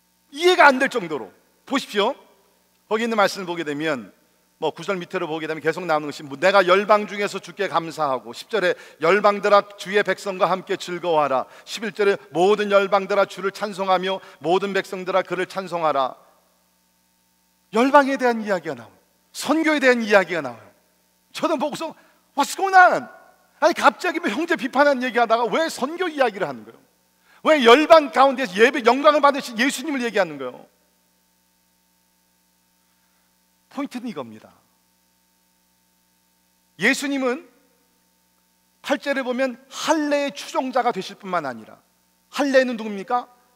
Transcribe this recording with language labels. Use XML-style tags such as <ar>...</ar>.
<ko>이해가 안 될 정도로. 보십시오. 거기 있는 말씀을 보게 되면 뭐 구절 밑으로 보게 되면 계속 나오는 것이 내가 열방 중에서 주께 감사하고, 10절에 열방들아 주의 백성과 함께 즐거워하라, 11절에 모든 열방들아 주를 찬송하며 모든 백성들아 그를 찬송하라. 열방에 대한 이야기가 나와요. 선교에 대한 이야기가 나와요. 저도 보고서</ko> <en>What's going on?</en> <ko>아니 갑자기 뭐 형제 비판한 얘기하다가 왜 선교 이야기를 하는 거예요? 왜 열방 가운데서 예배 영광을 받으신 예수님을 얘기하는 거예요? 포인트는 이겁니다. 예수님은 8절을 보면 할례의 추종자가 되실 뿐만 아니라, 할례는 누굽니까?</ko>